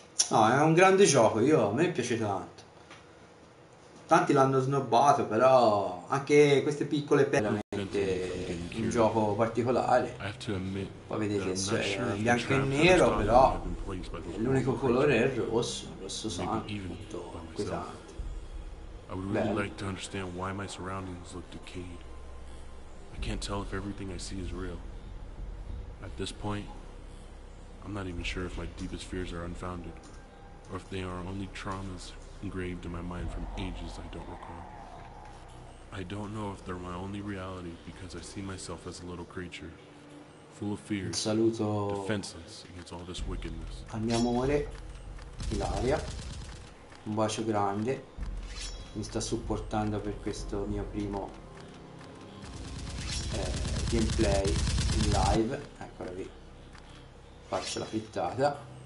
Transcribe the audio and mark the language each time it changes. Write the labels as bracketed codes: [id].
[it] No, è un grande gioco, io, a me piace tanto. Tanti l'hanno snobbato, però anche queste piccole perle, veramente un gioco particolare. Poi vedete, è bianco e nero, però l'unico colore è il rosso, rosso sangue, molto inquietante. [en] I would really like to understand why my surroundings look decayed. I can't tell if everything I see is real. At this point, I'm not even sure if my deepest fears are unfounded, or if they are only traumas engraved in my mind from ages I don't recall. I don't know if they're my only reality because I see myself as a little creature, full of fear, defenseless against all this wickedness. [it] Al mio amore, Ilaria, un bacio grande. Mi sta supportando per questo mio primo gameplay in live, eccola qui, faccio la frittata.